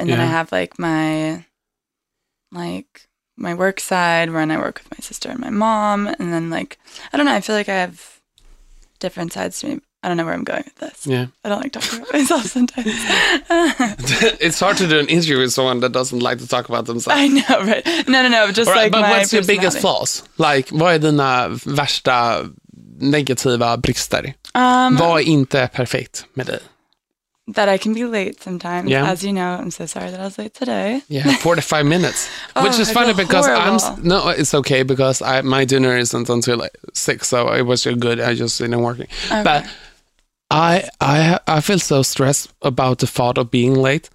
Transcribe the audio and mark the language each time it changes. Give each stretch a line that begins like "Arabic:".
English: And then I have, like, my work side when I work with my sister and my mom and then like I don't know, I feel like I have different sides to me I don't know where I'm going with this. Yeah. I don't like talking about myself sometimes. It's hard to do an interview with someone that doesn't like to talk about themselves. I know, right? No. Just right, like but my what's your biggest flaws?
Swedish: Like, vad är dina värsta negativa brister? Vad är inte perfekt med dig?
English: That I can be late sometimes. Yeah. As you know, I'm so sorry that I was late today. Yeah, 4 to 5 minutes. Which is funny because horrible. It's okay because my dinner isn't until like 6, so it was good. I just didn't work. Okay. But I feel so stressed about the thought of being late.